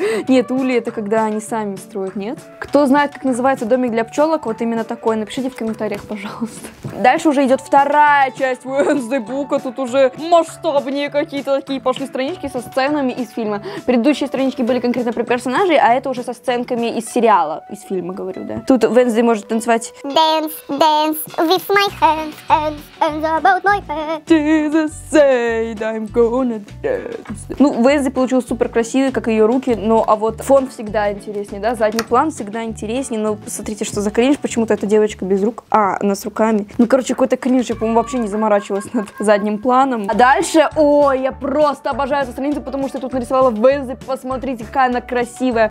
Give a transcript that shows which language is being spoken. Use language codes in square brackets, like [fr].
[ru] Нет, улей это когда они сами строят, нет? Кто знает, как называется домик для пчелок, вот именно такой, напишите в комментариях, пожалуйста. Дальше уже идет вторая часть Wednesday Book, тут уже масштабнее какие-то такие пошли странички со сценами из фильма. Предыдущие странички были конкретно про персонажей, а это уже со сценками из сериала, из фильма, говорю, да. Тут Wednesday может танцевать [en] Dance, dance with my hands, hands about my head. Jesus said I'm gonna dance. [ru] Ну, Wednesday получилась супер красивой, как ее руки, но а вот фон всегда интереснее, да, задний план всегда интереснее, но посмотрите, что за кринж, почему-то эта девочка без рук, а, она с руками. Ну, короче, какой-то кринж, я, по-моему, вообще не заморачивалась над задним планом. А дальше, ой, я просто обожаю эту страницу, потому что я тут нарисовала Вензи, посмотрите, какая она красивая.